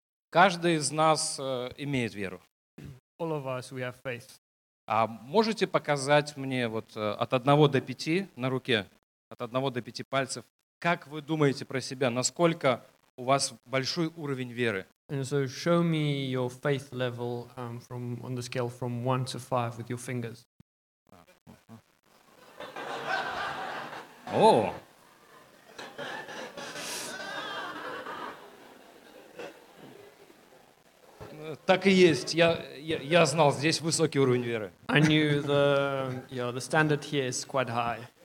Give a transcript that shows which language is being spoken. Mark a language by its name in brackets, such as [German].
[Russian] Каждый из нас имеет веру. [English] All of us, we have faith. [Russian] А можете показать мне вот от одного до пяти на руке, от одного до пяти пальцев, как вы думаете про себя, насколько у вас большой уровень веры? [English] And so show me your faith level from on the scale from 1 to 5 with your fingers. Oh. [Russian] Так и есть. Я знал, здесь высокий уровень веры. [English] I knew the standard here is quite high.